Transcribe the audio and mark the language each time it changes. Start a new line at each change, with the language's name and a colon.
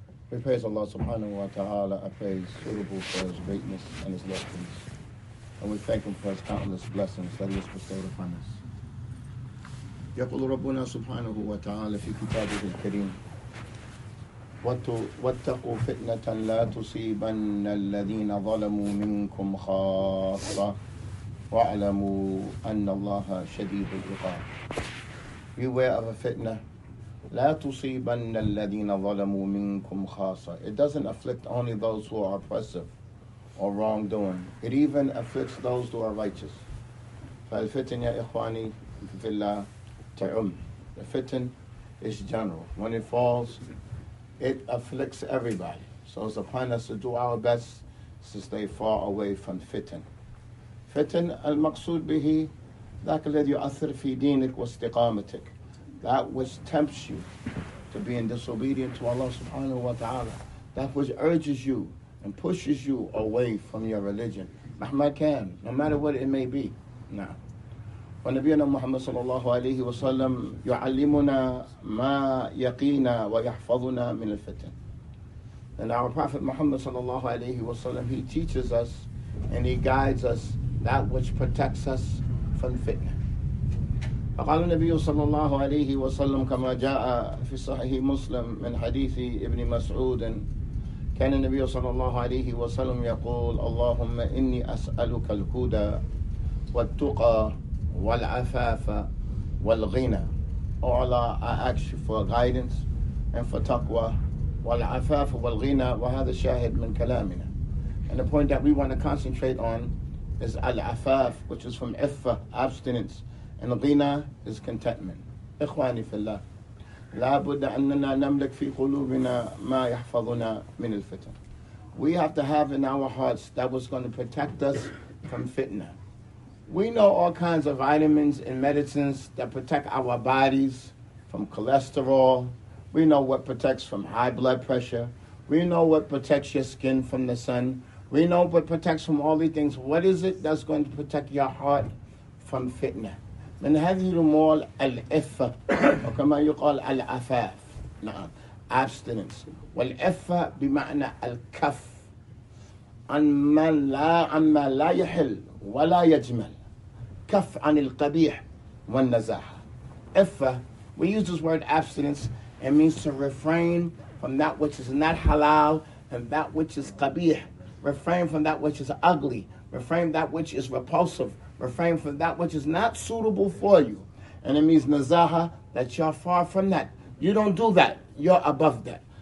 English: We praise Allah subhanahu wa ta'ala, a praise suitable for his greatness and his lessons. And we thank him for his countless blessings that he has bestowed upon us.
Arabic: يقول ربنا سبحانه وتعالى في كتابه الكريم واتقوا فتنة لا تصيبن الذين ظلموا منكم خاصة واعلموا أن الله شديد العقاب.
English: Beware of a fitna.
Arabic: لا تصيبن الذين ظلموا منكم خاصة.
English: It doesn't afflict only those who are oppressive or wrongdoing. It even afflicts those who are righteous.
Arabic: فالفتن يا إخواني في الله تعم.
English: The fitna is general. When it falls, it afflicts everybody. So it's upon us to do our best to stay far away from fitna.
Arabic: فتن المقصود به ذاك الذي يؤثر في دينك واستقامتك.
English: That which tempts you to being disobedient to Allah subhanahu wa ta'ala. That which urges you and pushes you away from your religion.
Arabic: مهما كان,
English: no matter what it may be.
Arabic: نعم. ونبينا محمد صلى الله عليه وسلم يعلمنا ما يقينا ويحفظنا من الفتن.
English: And our Prophet Muhammad صلى الله عليه وسلم, he teaches us and he guides us that which protects us from fitna.
Arabic: فقال النبي صلى الله عليه وسلم كما جاء في صحيح مسلم من حديث ابن مسعود كان النبي صلى الله عليه وسلم يقول اللهم إني أسألك الهدى والتقى والعفاف والغنى.
English: Oh Allah, I ask you for guidance and for taqwa.
Arabic: والعفاف والغنى, وهذا شاهد من كلامنا.
English: And the point that we want to concentrate on is al-afaf, which is from iffa, abstinence, and ghina is contentment.
Arabic: إخواني في الله, لا بد أننا نملك في قلوبنا ما يحفظنا من الفتن.
English: We have to have in our hearts that was going to protect us from fitna. We know all kinds of vitamins and medicines that protect our bodies from cholesterol. We know what protects from high blood pressure. We know what protects your skin from the sun. We know what protects from all these things. What is it that's going to protect your heart from fitna?
Arabic: من هذه الأمور الإفة وكما يقال العفاف, نعم, abstinence. والإفة بمعنى الكف, عما لا يحل ولا يجمل, كف عن القبيح والنزاحة.
English: إفة, we use this word abstinence, it means to refrain from that which is not halal and that which is قبيح. Refrain from that which is ugly. Refrain from that which is repulsive. Refrain from that which is not suitable for you. And it means nazaha, that you're far from that. You don't do that. You're above that.